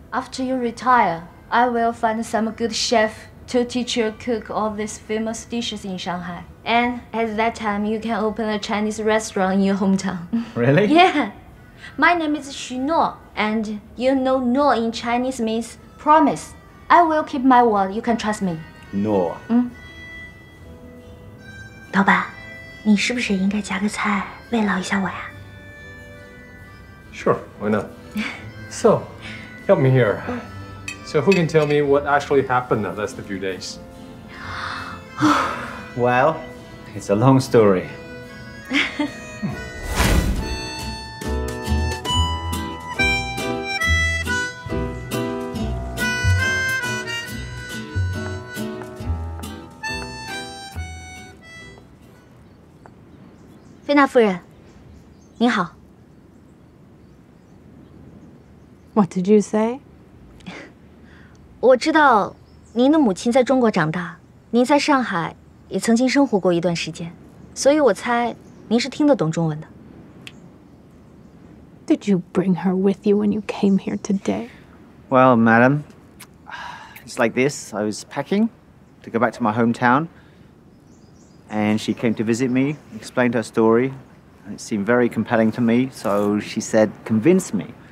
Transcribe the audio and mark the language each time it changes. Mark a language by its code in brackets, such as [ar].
[en] After you retire, I will find some good chef to teach you cook all these famous dishes in Shanghai. And at that time, you can open a Chinese restaurant in your hometown. Really? Yeah. My name is Xu Nuo, and you know Nuo in Chinese means promise. I will keep my word, you can trust me. Nuo. [zh] 老板，你是不是应该夹个菜慰劳一下我呀？ [en] Sure, why not? So, help me here. So who can tell me what actually happened the last few days? Well, it's a long story. [zh] Fina 夫人，您好。 [en] What did you say? [zh] 我知道您的母亲在中国长大，您在上海也曾经生活过一段时间，所以我猜您是听得懂中文的。 [en] Did you bring her with you when you came here today? Well, madam, it's like this. I was packing to go back to my hometown, and she came to visit me, explained her story, and it seemed very compelling to me, so she said, convince me.